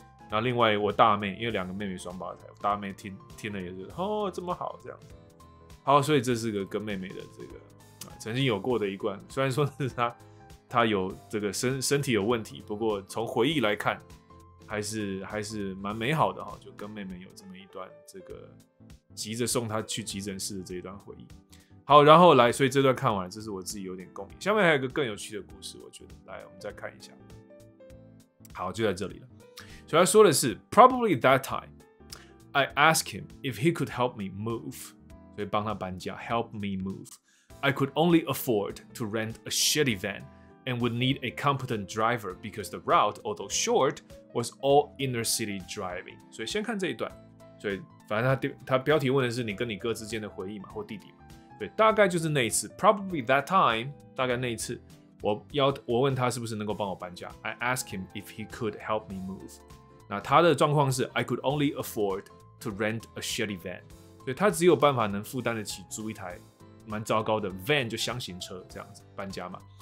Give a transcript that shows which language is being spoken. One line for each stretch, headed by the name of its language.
Chinese: 那另外我大妹，因为两个妹妹双胞胎，大妹听了也是哦这么好这样子，好，所以这是个跟妹妹的这个曾经有过的一段，虽然说是她有这个身体有问题，不过从回忆来看还是蛮美好的，就跟妹妹有这么一段这个急着送她去急诊室的这一段回忆。好，然后来，所以这段看完这是我自己有点共鸣，下面还有一个更有趣的故事，我觉得来我们再看一下，好，就在这里了。所以他说的是
English: ，Probably that time, I asked him if he could help me move.
Chinese: 所以帮他搬家
English: ，help me move. I could only afford to rent a shitty van, and would need a competent driver because the route, although short, was all inner city driving.
Chinese: 所以先看这一段。所以反正他标题问的是你跟你哥之间的回忆嘛，或弟弟嘛。对，大概就是那一次 ，
English: Probably that time，
Chinese: 大概那一次。我问他是不是能够帮我搬家 ，
English: I asked him if he could help me move。
Chinese: 那他的状况是 ，
English: I could only afford to rent a shitty van，
Chinese: 所以他只有办法能负担得起租一台蛮糟糕的 van， 就箱型车这样子搬家嘛。